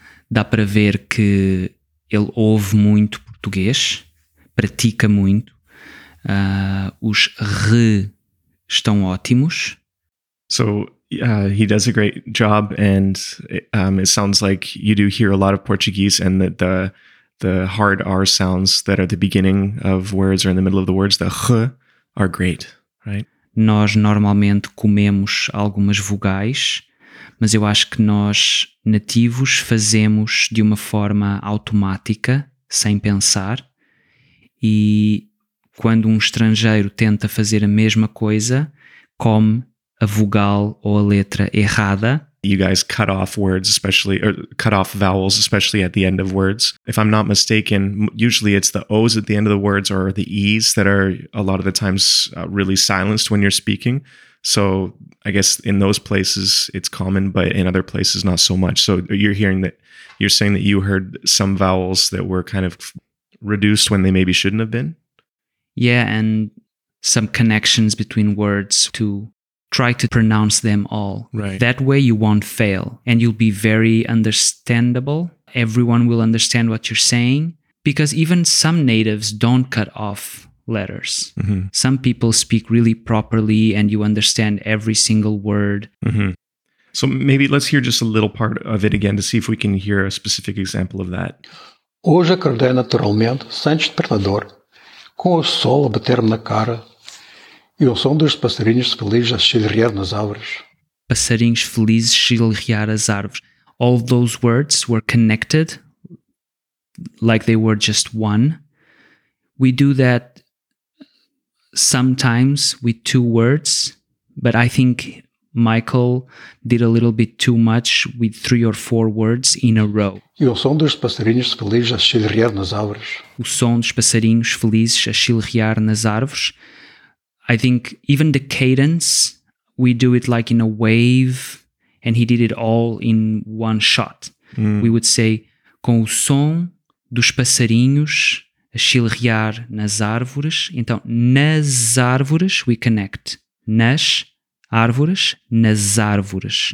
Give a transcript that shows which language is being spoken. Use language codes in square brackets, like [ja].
[pt] Dá para ver que ele ouve muito português, pratica muito. Os re estão ótimos. [en] So he does a great job and it sounds like you do hear a lot of Portuguese and that the hard R sounds that are the beginning of words or in the middle of the words, the R, are great, right? [pt] Nós normalmente comemos algumas vogais, mas eu acho que nós nativos fazemos de uma forma automática, sem pensar, e quando um estrangeiro tenta fazer a mesma coisa, come a vogal ou a letra errada. [en] You guys cut off words, especially, or cut off vowels, especially at the end of words. If I'm not mistaken, usually it's the O's at the end of the words or the E's that are a lot of the times really silenced when you're speaking. So I guess in those places it's common, but in other places not so much. So you're saying that you heard some vowels that were kind of reduced when they maybe shouldn't have been? Yeah, and some connections between words too. Try to pronounce them all. Right. That way you won't fail and you'll be very understandable. Everyone will understand what you're saying because even some natives don't cut off letters. Mm-hmm. Some people speak really properly and you understand every single word. Mm-hmm. So maybe let's hear just a little part of it again to see if we can hear a specific example of that. [pt] Hoje acordei naturalmente, sem despertador, com o sol a bater-me na cara E o som dos passarinhos felizes a chilrear nas árvores. Passarinhos felizes a chilrear as árvores. [en] All those words were connected, like they were just one. We do that sometimes with two words, but I think Michael did a little bit too much with three or four words in a row. [pt] E o som dos passarinhos felizes a chilrear nas árvores. O som dos passarinhos felizes a chilrear nas árvores. [en] I think even the cadence, we do it like in a wave, and he did it all in one shot. Mm. We would say, [pt] com o som dos passarinhos a chilrear nas árvores. Então, nas árvores, [en] we connect. [pt] Nas árvores, nas árvores.